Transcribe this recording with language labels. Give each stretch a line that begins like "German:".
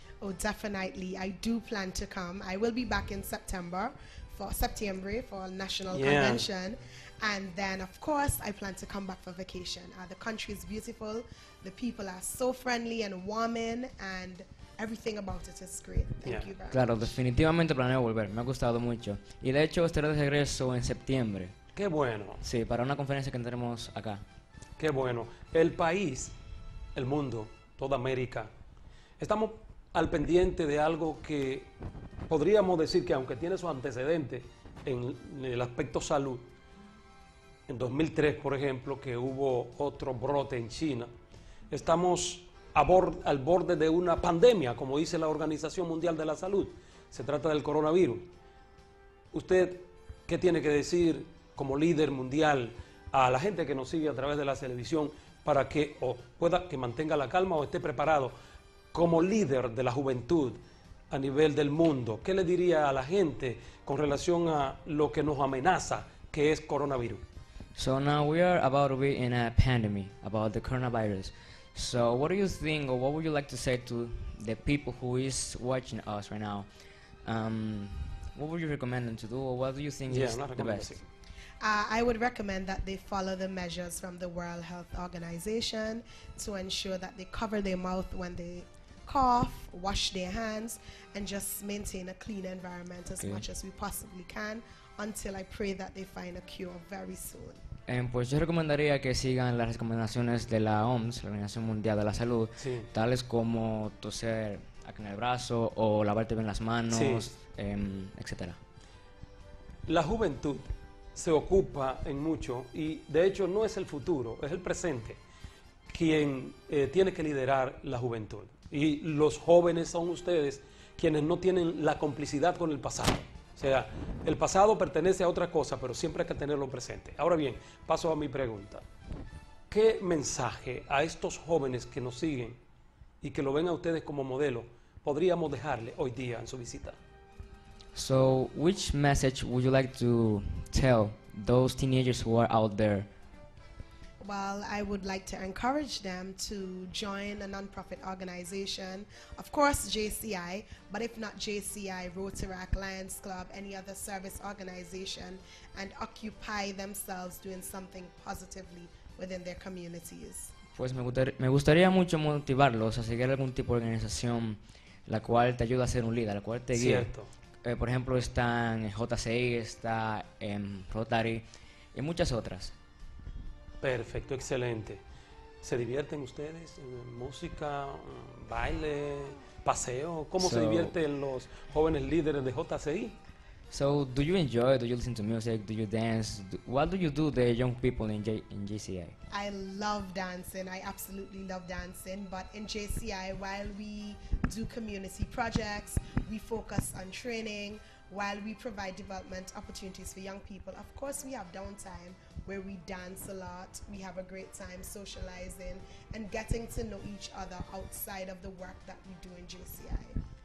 English: Oh, definitely. I do plan to come. I will be back in September for national convention. And then, of course, I plan to come back for vacation. The country is beautiful. The people are so friendly and warming, and everything about it is great. Thank you very much.
Spanish: Claro, definitivamente planeo volver. Me ha gustado mucho. Y de hecho, estaré de regreso en septiembre. Qué bueno. Sí, para una conferencia que tendremos acá. Qué bueno. El país, el mundo, toda América, estamos al pendiente de algo que podríamos decir que, aunque tiene su antecedente en el aspecto salud, en 2003, por ejemplo, que hubo otro brote en China, estamos al borde de una pandemia, como dice la Organización Mundial de la Salud. Se trata del coronavirus. ¿Usted qué tiene que decir como líder mundial a la gente que nos sigue a través de la televisión para que o pueda que mantenga la calma o esté preparado como líder de la juventud a nivel del mundo? ¿Qué le diría a la gente con relación a lo que nos amenaza, que es coronavirus?
English: So now we are about to be in a pandemic about the coronavirus. So what do you think, or what would you like to say to the people who is watching us right now? What would you recommend them to do, or what do you think is the best? I would recommend that they follow the measures from the World Health Organization to ensure that they cover their mouth when they cough, wash their hands, and just maintain a clean environment as much as we possibly can. Until I pray that they find a cure very soon.
Spanish: Pues yo recomendaría que sigan las recomendaciones de la OMS, la Organización Mundial de la Salud, tales como toser en el brazo o lavarte bien las manos, etc. La juventud se ocupa en mucho y de hecho no es el futuro, es el presente quien tiene que liderar la juventud. Y los jóvenes son ustedes quienes no tienen la complicidad con el pasado. O sea, el pasado pertenece a otra cosa, pero siempre hay que tenerlo presente. Ahora bien, paso a mi pregunta. ¿Qué mensaje a estos jóvenes que nos siguen y que lo ven a ustedes como modelo podríamos dejarle hoy día en su visita?
English: So, which message would you like to tell those teenagers who are out there? Well, I would like to encourage them to join a nonprofit organization, of course JCI, but if not JCI, Rotaract, Lions Club, any other service organization, and occupy themselves doing something positively within their communities.
Spanish: Pues me gustaría mucho motivarlos a seguir algún tipo de organización la cual te ayuda a ser un líder, la cual te guía. Cierto. Por ejemplo, están JCI, está Rotary y muchas otras. Perfecto, excelente. ¿Se divierten ustedes? ¿Música, baile, paseo? ¿Cómo se divierten los jóvenes líderes de JCI?
English: So, do you enjoy? Do you listen to music? Do you dance? What do you do, the young people in JCI? I love dancing. I absolutely love dancing. But in JCI, while we do community projects, we focus on training. While we provide development opportunities for young people, of course we have downtime where we dance a lot, we have a great time socializing and getting to know each other outside of the work that we do in JCI.